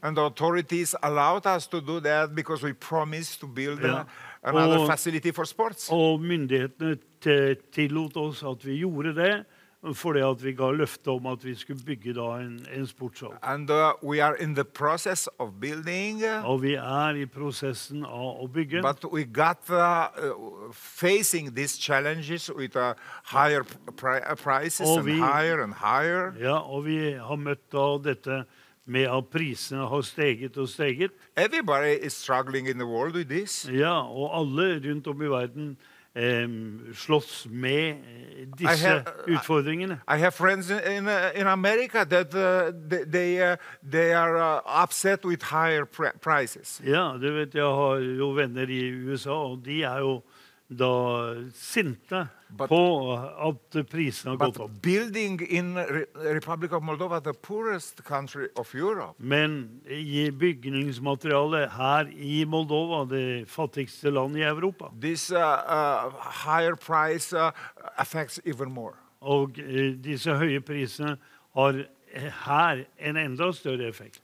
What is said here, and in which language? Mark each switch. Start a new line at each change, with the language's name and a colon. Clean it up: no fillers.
English: And the authorities allowed us to do that because we promised to build another facility for sports.
Norwegian: Og myndighetene tillot oss at vi gjorde det fordi at vi ga løfte om at vi skulle bygge da en sportshall.
English: And we are in the process of building.
Norwegian: Og vi I prosessen av å bygge.
English: But we got facing these challenges with higher prices and higher.
Norwegian: Ja, og vi har møtt da dette med at prisene har steget og steget.
English: Everybody is struggling in the world with this.
Norwegian: Ja, og alle rundt om I verden slåss med disse utfordringene.
English: I have friends in America that they are upset with higher prices.
Norwegian: Ja, du vet, jeg har jo venner I USA, og de jo da sinte på at prisene har gått opp.
English: But building in Republic of Moldova, the poorest country of Europe.
Norwegian: Men I bygningsmaterialet her I Moldova, det fattigste landet I Europa.
English: This higher price affects even more.
Norwegian: Og disse høye prisene har her en enda større effekt.